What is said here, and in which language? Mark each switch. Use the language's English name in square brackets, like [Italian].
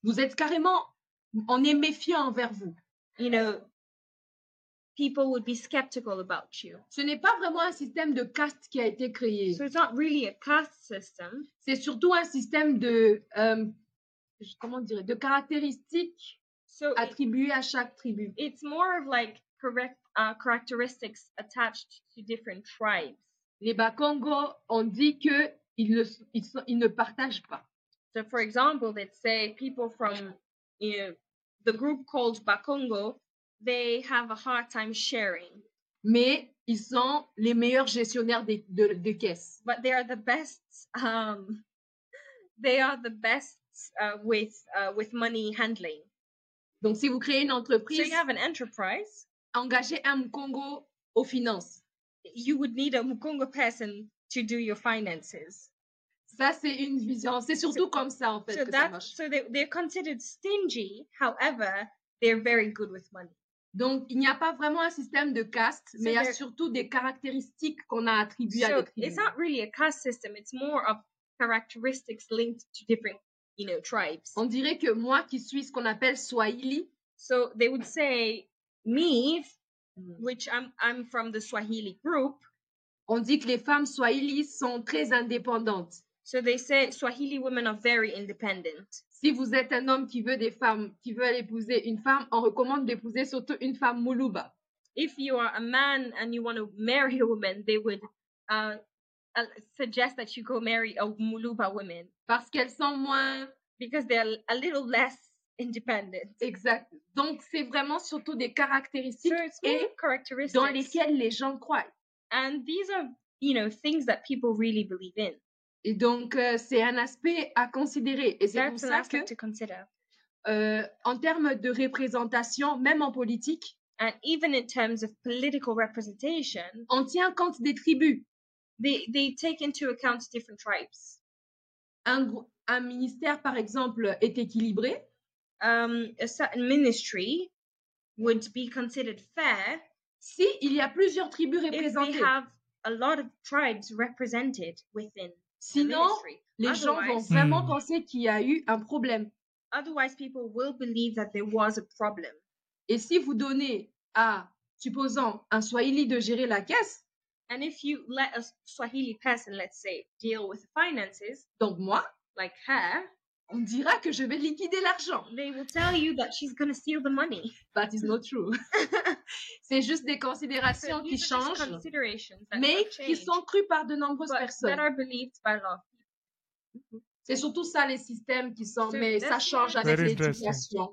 [French] vous êtes carrément, on est méfiant envers vous. [English] You know, people would be skeptical about you. [French] Ce n'est pas vraiment un système de caste qui a été créé. [English] So it's not really a caste system. [French] C'est surtout un système de comment dire, de caractéristiques [English] so [French] attribuées à chaque tribu. [English] It's more of like characteristics attached to different tribes. [French] Les Bakongo ont dit que ils ne partagent pas. [English] So for example, let's say people from, you know, the group called Bakongo, they have a hard time sharing. [French] Mais ils sont les meilleurs gestionnaires de caisses. [English] But they are the best. They are the best with money handling. [French] Donc, si vous créez une entreprise, [English] so you have an enterprise, [French] engagez un Mukongo aux finances. [English] You would need a Mukongo person to do your finances. [French] Ça, c'est une vision. C'est surtout comme ça en fait [English] so [French] que [English] that, [French] ça marche. [English] So they're considered stingy. However, they're very good with money. [French] Donc, il n'y a pas vraiment un système de caste, mais il y a surtout des caractéristiques qu'on a attribuées [English] so [French] à des tribus. [English] It's not really a caste system, it's more of characteristics linked to different, you know, tribes. [French] On dirait que moi qui suis ce qu'on appelle Swahili, [English] so they would say me, which I'm from the Swahili group, [French] on dit que les femmes Swahili sont très indépendantes. [English] So they say Swahili women are very independent. [French] Si vous êtes un homme qui veut des femmes, qui veut épouser une femme, on recommande d'épouser surtout une femme Muluba. [English] If you are a man and you want to marry a woman, they would suggest that you go marry a Muluba woman. [French] Parce qu'elles sont moins... [English] Because they're a little less independent. [French] Exact. Donc, c'est vraiment surtout des caractéristiques, [English] so it's characteristics [French] dans lesquelles les gens croient. [English] And these are, you know, things that people really believe in. [French] Et donc, c'est un aspect à considérer. Et c'est [English] that's [French] pour ça que En termes de représentation, même en politique, [English] and even in terms of political representation, [French] on tient compte des tribus. [English] They take into account different tribes. [French] Un ministère, par exemple, est équilibré. [English] A certain ministry would be considered fair. [French] Si il y a plusieurs tribus représentées. [English] If they have a lot of tribes represented within [French] Sinon, [English] the ministry. [French] Les gens vont vraiment penser qu'il y a eu un problème. [English] Otherwise, people will believe that there was a problem. [French] Et si vous donnez à, supposons, un Swahili de gérer la caisse, [English] and if you let a Swahili person, let's say, deal with the finances, [French] donc moi, [English] like her, [French] on dira que je vais liquider l'argent. [English] They will tell you that she's going to steal the money. But it's not true. [French] C'est juste des considérations qui changent, [English] considerations that [French] mais [English] change, [French] qui sont crues par de nombreuses personnes. [English] That are believed by a lot of people. [French] C'est surtout ça les systèmes qui sont, so mais ça change avec l'éducation